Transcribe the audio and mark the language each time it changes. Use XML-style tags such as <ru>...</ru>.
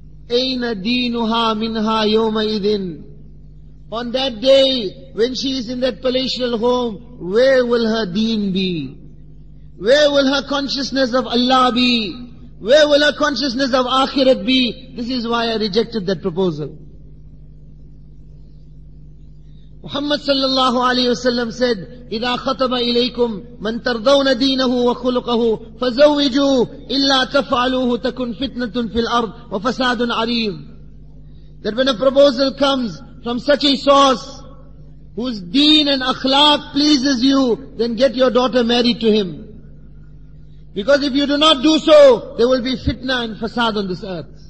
<ar>Aina deenuha minha yawma idhin.</ar> <en>On that day, when she is in that palatial home, where will her deen be? Where will her consciousness of Allah be? Where will her consciousness of Akhirat be? This is why I rejected that proposal.</en> <ar>Muhammad sallallahu alayhi wasallam said, إِذَا خَطَبَ إِلَيْكُمْ مَنْ تَرْضَوْنَ دِينَهُ وَخُلُقَهُ فَزَوِّجُوهُ إِلَّا تَفْعَلُوهُ تَكُنْ فِتْنَةٌ فِي الْأَرْضِ وَفَسَادٌ عَرِيمٌ.</ar> <en>That when a proposal comes from such a source, whose deen and akhlaq pleases you, then get your daughter married to him. Because if you do not do so, there will be fitna and fasad on this earth.</en>